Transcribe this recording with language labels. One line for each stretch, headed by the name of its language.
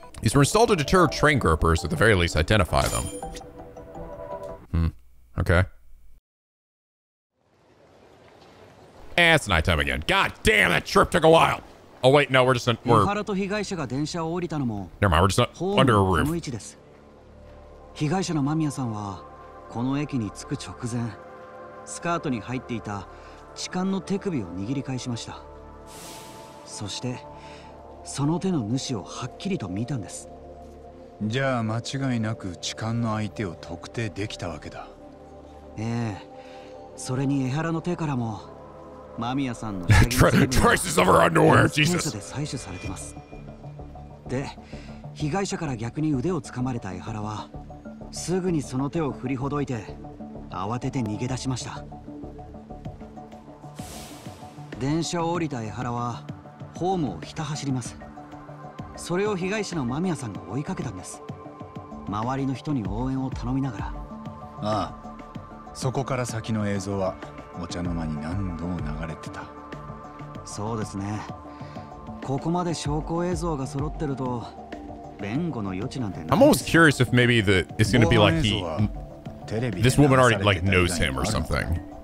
English: These were installed to deter train gropers, at the very least, identify them. Okay. And it's nighttime again. God damn, that trip took a while. Oh wait, no, we're just under a roof.
Japanese: 被害者の間宮さんはこの駅に着く直前、スカートに入っていた痴漢の手首を握り返しました。そしてその手の主をはっきりと見たんです。じゃあ間違いなく痴漢の相手を特定できたわけだ。ええ、それに江原の手からも間宮さんの
English: traces of her underwear、 Jesus
Japanese: で採取されてます。で、被害者から逆に腕を掴まれた江原はすぐにその手を振りほどいて慌てて逃げ出しました。電車を降りた江原はホームをひた走ります。それを被害者の間宮さんが追いかけたんです。周りの人に応援を頼みながら。ああ、そこから先の映像はお茶の間に何度も流れてた。そうですね、ここまで証拠映像が揃ってると
English: I'm almost curious if maybe it's going to be like this woman already like knows him or something.